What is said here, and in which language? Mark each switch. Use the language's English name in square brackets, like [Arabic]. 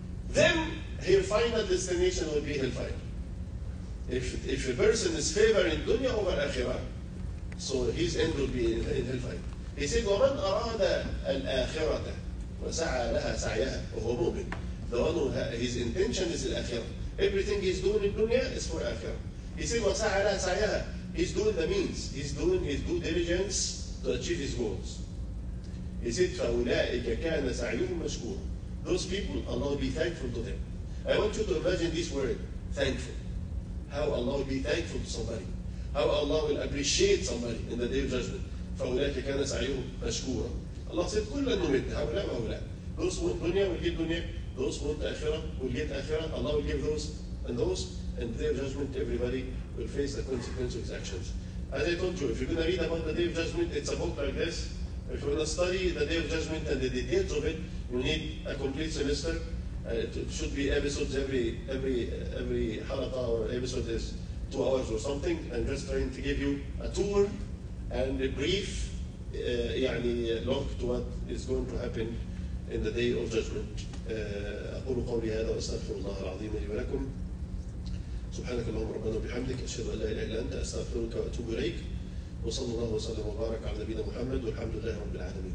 [English] Then his final destination will be hellfire. If a person is favoring dunya over akhirah, so his end will be in hellfire. He said, [Arabic] وَمَنْ أَرَادَ الْآخِرَةَ وَسَعَى لَهَا سَعْيَهَا وَهُوَ مُؤْمِنٌ. [English] The one who his intention is الآخِرَةَ. Everything he's doing in dunya is for akhirah. He said, [Arabic] وَسَعَى لَهَا سَعْيَهَا. [English] He's doing the means. He's doing his due diligence to achieve his goals. He said, [Arabic] فَأُولَٰئِكَ كَانَ سَعْيُهُمْ مَشْكُورٌ. [English] Those people, Allah will be thankful to them. I want you to imagine this word, thankful. How Allah will be thankful to somebody. How Allah will appreciate somebody in the Day of Judgment. [Arabic] فَأُولَٰئِكَ كَانَ سَعْيُهُمْ مَشْكُورًا. [English] Allah said, [Arabic] كُلَّا نُمِدْ هَوْلَا وَهُولَا. [English] Those who want dunya will get dunya. Those who want akhirah will get akhirah. Allah will give those. And the Day of Judgment, everybody will face the consequence of his actions. As I told you, if you're going to read about the Day of Judgment, it's a book like this. If you're going to study the Day of Judgment and the details of it, you need a complete semester. It should be episodes every halaqa or episode is 2 hours or something. I'm just trying to give you a tour and a brief look to what is going to happen in the Day of Judgment. [Arabic] أقول قولي هذا وأستغفر الله العظيم لي ولكم. سبحانك اللهم ربنا وبحمدك أشهد أن لا إله إلا أنت أستغفرك وأتوب إليك. وصلى الله وسلم وبارك على نبينا محمد والحمد لله رب العالمين.